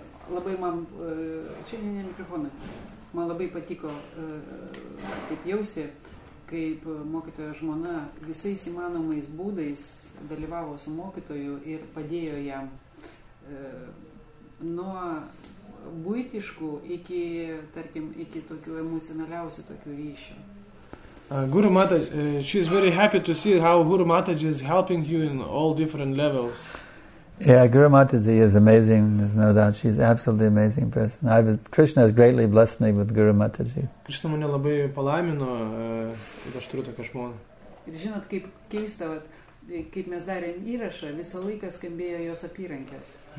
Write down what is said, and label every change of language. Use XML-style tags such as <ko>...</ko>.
<lt>Labai man čia ne mikrofonai. Man labai patiko kaip jausti, kaip mokytojo žmona visais įmanomais būdais dalyvavo su mokytoju ir padėjo jam nuo buitiškų iki, tarkim, iki tokių emocionaliausių tokių ryšių.</lt> <en>Guru Mataji, she's very happy to see how Guru Mataji is helping you in all different levels. Yeah, Guru Mataji is amazing, there's no doubt. She's an absolutely amazing person. Krishna has greatly blessed me with Guru Mataji.</en> <lt>Krishna mane labai palaimino, kad aš turiu tokią žmoną. Ir žinot, kaip keista, vat, kaip mes darėm įrašą, visą laiką skambėjo jos apyrankės.</lt>